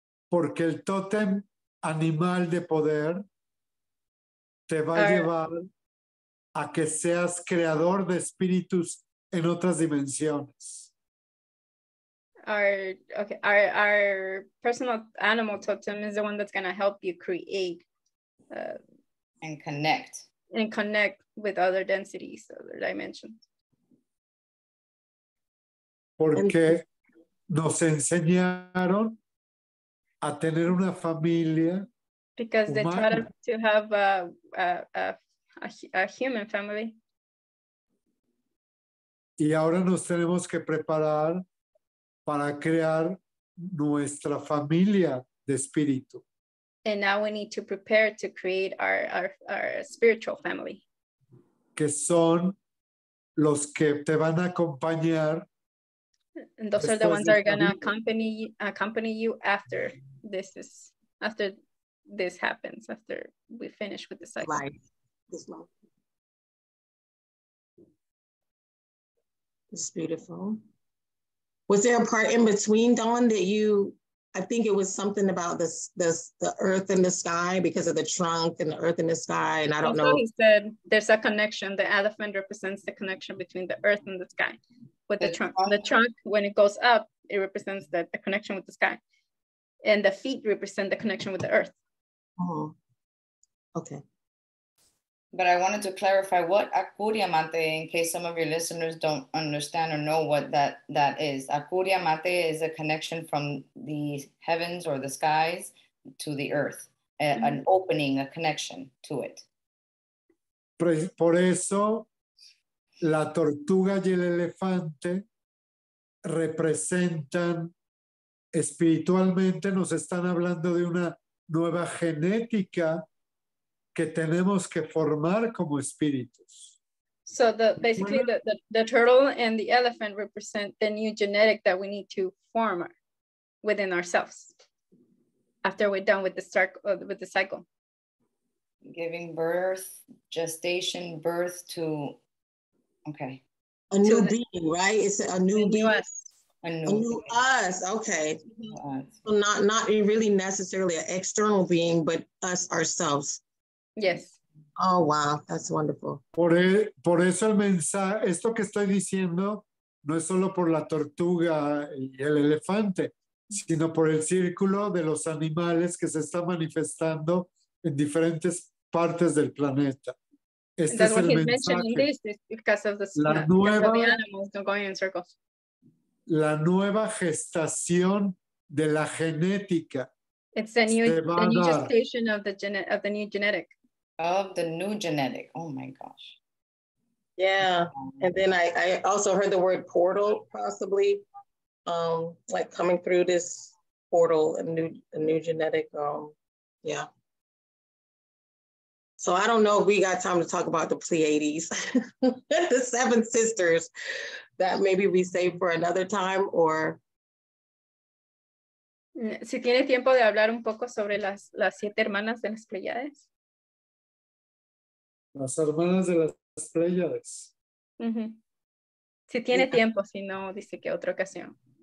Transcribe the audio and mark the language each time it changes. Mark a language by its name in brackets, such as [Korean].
[Spanish] Porque el tótem animal de poder te va a llevar a que seas creador de espíritus en otras dimensiones. [English] Our personal animal totem is the one that's going to help you create and connect. And connect with other densities, other dimensions. [Spanish] Porque nos enseñaron a tener una familia. [English] because they try to have a human family. [Spanish] Y ahora nos tenemos que preparar para crear nuestra familia de espíritu. [English] And now we need to prepare to create our spiritual family. [Spanish] Que son los que te van a acompañar. [English] And those are the ones that are going to accompany you after this happens, after we finish with the cycle. Life. This life. This is beautiful. Was there a part in between, Dawn, that you, I think it was something about the earth and the sky because of the trunk and the earth and the sky. And I don't know. He said there's a connection. The elephant represents the connection between the earth and the sky with the trunk. The trunk, when it goes up, it represents the connection with the sky. And the feet represent the connection with the earth. Oh, okay. But I wanted to clarify what acuriamate, in case some of your listeners don't understand or know what that is. Acuriamate is a connection from the heavens or the skies to the earth, an opening, a connection to it. [Spanish] Por eso, la tortuga y el elefante representan espiritualmente, nos están hablando de una nueva genética que tenemos que formar como espíritus. [English] So the turtle and the elephant represent the new genetic that we need to form within ourselves after we're done with the cycle. Giving birth, gestation, birth to, okay. A new being, right? It's a new being. Us. A new us, okay. New us. So not really necessarily an external being, but us ourselves. Yes. Oh, wow. That's wonderful. [Spanish] Por eso el mensaje, esto que estoy diciendo, no es solo por la tortuga y el elefante, sino por el círculo de los animales que se está manifestando en diferentes partes del planeta. Este es el mensaje. [English] That's what he's mentioning. This is because of the animals going in circles. [Spanish] La nueva gestación de la genética. [English] It's the new gestation of the new genetic. Of the new genetic. Oh my gosh. Yeah. And then I also heard the word portal, possibly. Like coming through this portal, a new genetic. Yeah. So I don't know if we got time to talk about the Pleiades, the seven sisters. That maybe we save for another time, or [Spanish] si tiene tiempo de hablar un poco sobre las siete hermanas de las Pleiades. Las hermanas de las Pleiades. Uh-huh. Si tiene tiempo, si no, dice que otra ocasión.